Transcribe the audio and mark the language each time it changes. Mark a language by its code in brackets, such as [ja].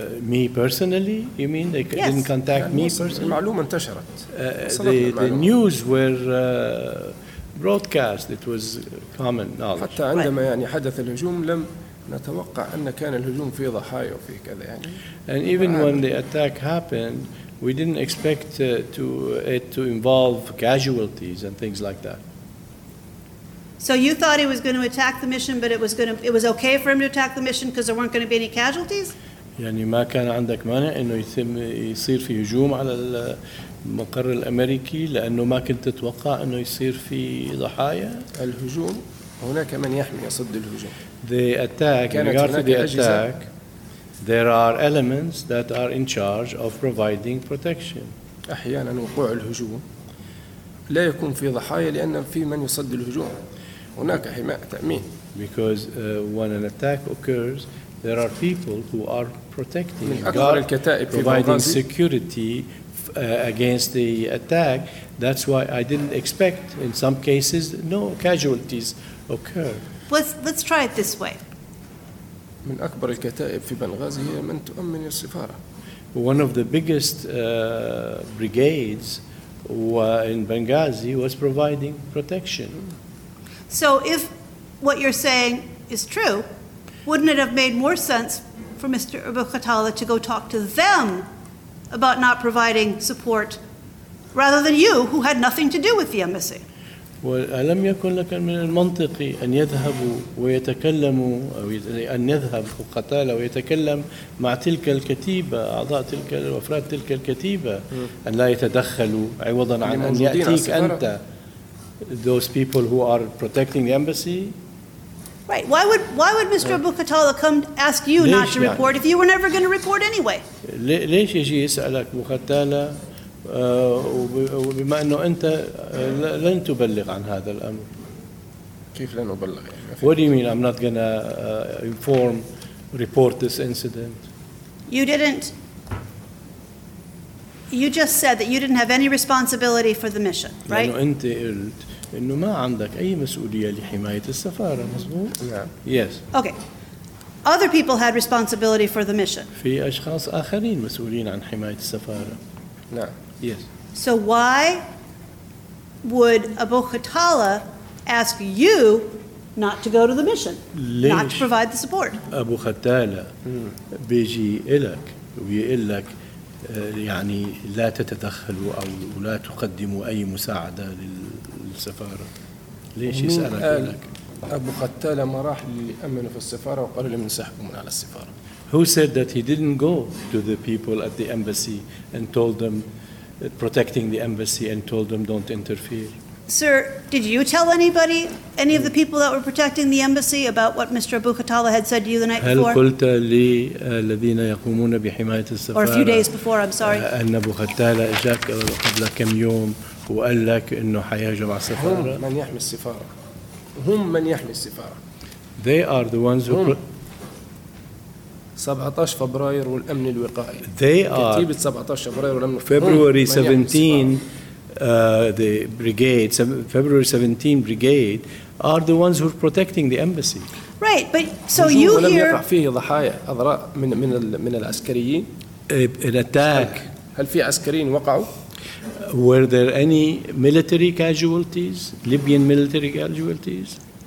[en] Me personally, you mean? They yes. didn't contact me personally. [ar] المعلومة انتشرت. [en] The news were broadcast. It was common knowledge. [ar] حتى عندما يعني حدث الهجوم لم نتوقع أن كان الهجوم في ضحايا وفي كذا يعني. [en] And even when the attack happened, we didn't expect it to involve casualties and things like that. So you thought he was going to attack the mission, but it was okay for him to attack the mission because there weren't going to be any casualties? [ar] يعني ما كان عندك مانع إنه يتم يصير في هجوم على المقر الأمريكي لأنه ما كنت تتوقع إنه يصير في ضحايا؟ الهجوم هناك من يحمي صد الهجوم. [en] The attack, in regard to the attack, there are elements that are in charge of providing protection. [ar] أحياناً وقوع الهجوم لا يكون في ضحايا لأن في من يصد الهجوم. هناك حماية تأمين. [en] Because when an attack occurs, there are people who are protecting, providing security against the attack. That's why I didn't expect, in some cases, no casualties occur. Let's try it this way. [ar] من أكبر الكتائب في بنغازي هي من تؤمن السفارة. [en] One of the biggest brigades in Benghazi was providing protection. So if what you're saying is true, wouldn't it have made more sense for Mr. Erbukhatalla to go talk to them about not providing support rather than you, who had nothing to do with the embassy? [ar] ألم يكن لك من المنطقي أن يذهب ويتكلم أو أن يذهب قتالة ويتكلم مع تلك الكتيبة أعضاء تلك وأفراد تلك الكتيبة أن لا يتدخلوا عوضا عن أن يأتيك أنت [en] those people who are protecting the embassy. Right. Why would Mr. Abu Qatala come ask you not to report if you were never going to report anyway? [ar] ليش يجي يسألك أبو قتالة وبما أنه أنت لن تبلغ عن هذا الأمر. كيف لن أبلغ؟ [en] What do you mean I'm not going to inform, report this incident? You didn't. You just said that you didn't have any responsibility for the mission, right? [ar] لأنه أنت قلت إنه ما عندك أي مسؤولية لحماية السفارة، مظبوط؟ نعم. [en] Yes. Okay. Other people had responsibility for the mission. [ar] في أشخاص آخرين مسؤولين عن حماية السفارة. نعم. [en] Yes. So why would Abu Qatala ask you not to go to the mission, not to provide the support? [ar] أبو قتالة بيجي إلك ويقول لك يعني لا تتدخلوا أو لا تقدموا أي مساعدة للسفارة. ليش يسألك لك؟ أبو قتالة ما راح لأمنه في السفارة وقال لهم انسحبوا من على السفارة. [en] Who said that he didn't go to the people at the embassy and told them protecting the embassy and told them don't interfere? Sir, did you tell anybody, any of the people that were protecting the embassy about what Mr. Abu Qatala had said to you the night before? [ar] هل قلت للذين يقومون بحماية السفارة؟ [en] Or a few days before, I'm sorry. [ar] أن أبو قتالة جاءك قبل كم يوم وقال لك إنه حيهاجم على السفارة؟ هم من يحمي السفارة. هم من يحمي السفارة. [en] They are the ones who. [ar] 17 فبراير والأمن الوقائي. [en] They are. [ar] كتيبة 17 فبراير والأمن الوقائي. [en] February 17. The brigade, February 17 brigade, are the ones who are protecting the embassy. Right. Right, but so you hear. [ar] ولم يقع فيه ضحايا أضرار من من ال من العسكريين. [en] An attack. [ar] هل في عسكريين وقعوا؟ [en] Were there any military casualties, Libyan military casualties?